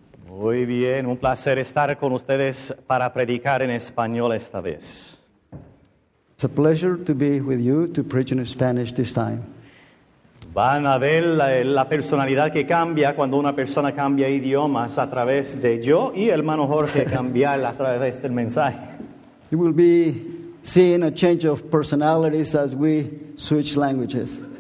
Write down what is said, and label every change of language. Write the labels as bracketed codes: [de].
[es] Muy bien, un placer estar con ustedes para predicar en español esta vez. [en] It's a pleasure to be with you to preach in Spanish this time. [es] Van a ver la personalidad que cambia cuando una persona cambia idiomas a través de yo y el hermano Jorge cambiar a través del mensaje. [en] You will be seeing a change of personalities as we switch languages.